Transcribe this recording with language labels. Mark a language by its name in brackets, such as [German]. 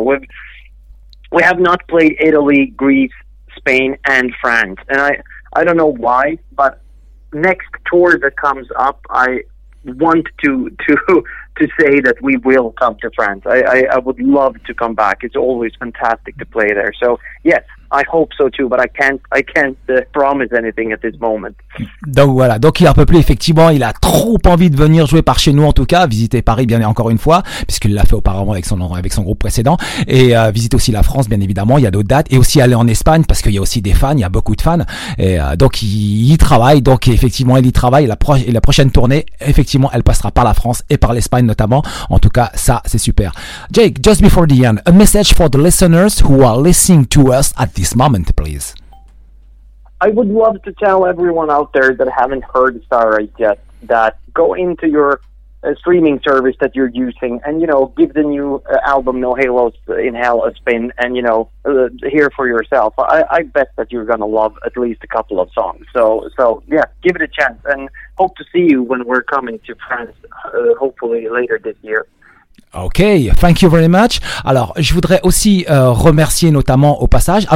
[English] We have not played Italy, Greece, Spain and France, and I don't know why, but next tour that comes up I want to to say that we will come to France. I would love to come back. It's always fantastic to play there. So yes, I hope so too, but I can't promise anything at this moment. [French] Donc voilà, donc il a un peu plus, effectivement, il a trop envie de venir jouer par chez nous, en tout cas, visiter Paris, bien encore une fois, puisqu'il l'a fait auparavant avec son groupe précédent, et visiter aussi la France, bien évidemment, il y a d'autres dates, et aussi aller en Espagne, parce qu'il y a aussi des fans, il y a beaucoup de fans, et donc il travaille, donc effectivement, il y travaille, la prochaine tournée, effectivement, elle passera par la France et par l'Espagne notamment, en tout cas, ça, c'est super. [English] Jake, just before the end, a message for the listeners who are listening to us at this moment, please. I would love to tell everyone out there that haven't heard Starrite yet that go into your streaming service that you're using and, you know, give the new album No Halos in Hell a spin and, you know, hear for yourself. I bet that you're going to love at least a couple of songs. So yeah, give it a chance and hope to see you when we're coming to France, hopefully later this year. Ok, thank you very much. [French] Alors, je voudrais aussi remercier notamment au passage.